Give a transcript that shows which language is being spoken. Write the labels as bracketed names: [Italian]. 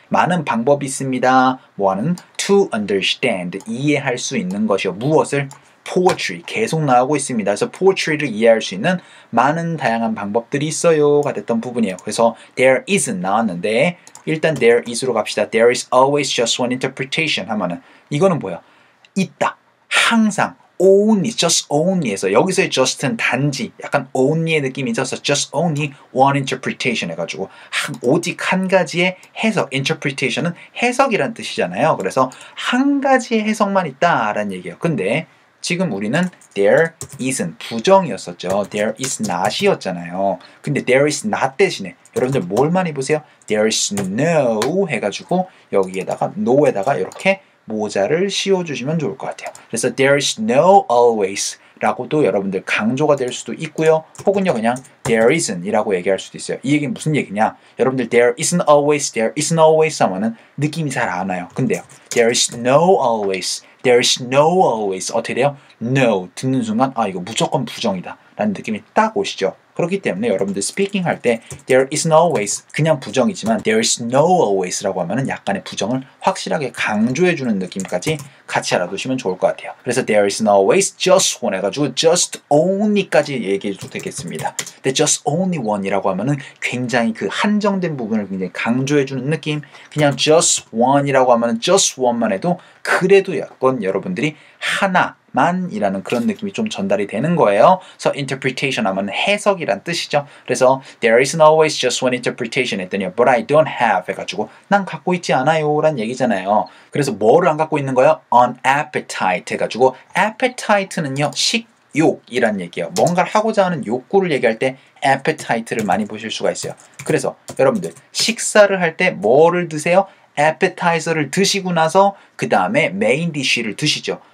[Korean] 많은 방법이 있습니다. 뭐하는? To understand, 이해할 수 있는 것이요. 무엇을? Poetry, 계속 나오고 있습니다. 그래서 poetry를 이해할 수 있는 많은 다양한 방법들이 있어요가 됐던 부분이에요. 그래서 there is 나왔는데 일단 there is로 갑시다. [English] There is always just one interpretation [Korean] 하면은 이거는 뭐예요? 있다. 항상. Only, just only에서 여기서의 just는 단지 약간 only의 느낌이 있어서 just only one interpretation 해가지고 오직 한 가지의 해석 interpretation은 해석이란 뜻이잖아요. 그래서 한 가지의 해석만 있다라는 얘기예요. 근데 지금 우리는 there isn't 부정이었었죠. [English] There is not이었잖아요. [Korean] 근데 there is not 대신에 여러분들 뭘 많이 보세요? There is no 해가지고 여기에다가 no에다가 이렇게 모자를 씌워주시면 좋을 것 같아요. 그래서 there is no always 라고도 여러분들 강조가 될 수도 있고요. 혹은요 그냥 there isn't 이라고 얘기할 수도 있어요. 이 얘기는 무슨 얘기냐? 여러분들 [English] there isn't always, there isn't always [Korean] 하면은 느낌이 잘 안 와요. [English] 근데요 there is no always, there is no always [Korean] 어떻게 돼요? no 듣는 순간 아 이거 무조건 부정이다 라는 느낌이 딱 오시죠. 그렇기 때문에 여러분들 스피킹 할 때 [English] there is no always [Korean] 그냥 부정이지만 there is no always 라고 하면은 약간의 부정을 확실하게 강조해 주는 느낌까지 같이 알아두시면 좋을 것 같아요. [English] 그래서 there is no always just one 해가지고 just only [Korean] 까지 얘기해 줘도 되겠습니다. The just only one 이라고 하면은 굉장히 그 한정된 부분을 굉장히 강조해 주는 느낌 그냥 just one 이라고 하면은 just one 만 해도 그래도 약간 여러분들이 하나 만이라는 그런 느낌이 좀 전달이 되는 거예요. So interpretation 하면 해석이란 뜻이죠. [English] 그래서 there is not always just one interpretation 했더니 but I don't have [Korean] 해가지고 난 갖고 있지 않아요 라는 얘기잖아요. 그래서 뭐를 안 갖고 있는 거예요? An appetite 해가지고 appetite는요 식욕이란 얘기예요. 뭔가를 하고자 하는 욕구를 얘기할 때 appetite를 많이 보실 수가 있어요. 그래서 여러분들 식사를 할 때 뭐를 드세요? appetizer를 드시고 나서 그 다음에 메인 디쉬를 드시죠.